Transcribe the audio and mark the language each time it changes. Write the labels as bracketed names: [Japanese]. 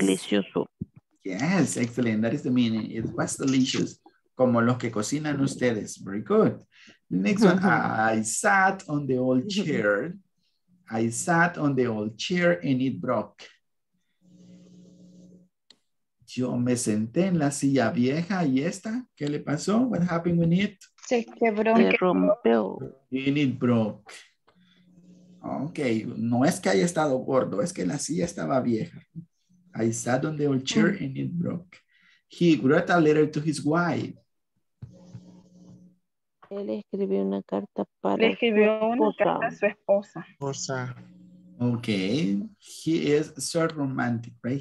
[Spanish] Estuvo delicioso. [English] Yes, excellent. That is the meaning. It was delicious. [Spanish] Como los que cocinan ustedes. [English] Very good. Next one. I sat on the old chair. I sat on the old chair and it broke. [Spanish] Yo me senté en la silla vieja y esta. ¿Qué le pasó? [English] What happened with it? [Spanish] Se quebró. Se rompió. [English] And it broke. [Spanish] Okay, no es que haya estado gordo, es que la silla estaba vieja. [English] I sat on the old chair and it broke. He wrote a letter to his wife. [Spanish] Él escribió una carta para le escribió su esposa. [English] Okay, he is so romantic, right?